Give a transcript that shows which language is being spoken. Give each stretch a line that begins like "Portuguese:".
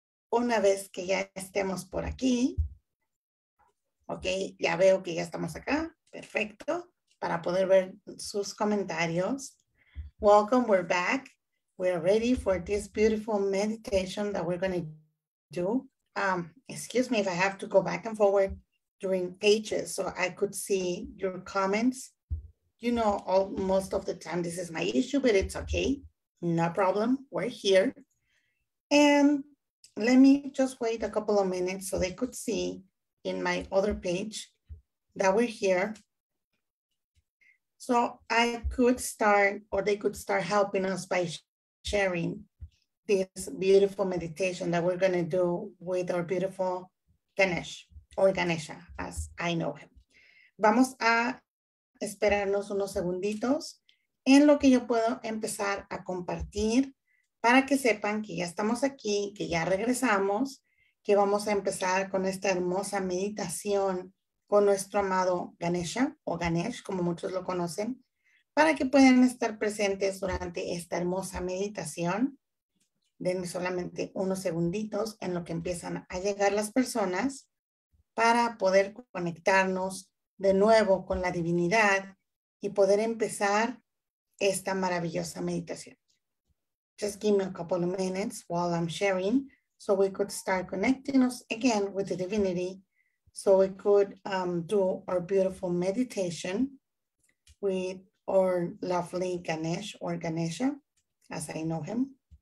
Spanish: Una vez que ya estemos por aquí, ok, ya veo que ya estamos acá, perfecto, para poder ver sus comentarios.
English: Welcome, we're back. We're ready for this beautiful meditation that we're going to do. Excuse me if I have to go back and forward during pages so I could see your comments. You know, all, most of the time this is my issue, but it's okay. No problem. We're here. And let me just wait a couple of minutes so they could see in my other page that we're here. So I could start, or they could start helping us by sharing this beautiful meditation that we're gonna do with our beautiful Ganesh, or Ganesha, as I know him.
Spanish: Vamos a esperarnos unos segunditos en lo que yo puedo empezar a compartir para que sepan que ya estamos aquí, que ya regresamos, que vamos a empezar con esta hermosa meditación con nuestro amado Ganesha, o Ganesh, como muchos lo conocen, para que puedan estar presentes durante esta hermosa meditación. Denme solamente unos segunditos en lo que empiezan a llegar las personas para poder conectarnos de nuevo con la divinidad y poder empezar esta maravillosa meditación.
English: Just give me a couple of minutes while I'm sharing so we could start connecting us again with the divinity so we could do our beautiful meditation with our lovely Ganesh or Ganesha, as I know him.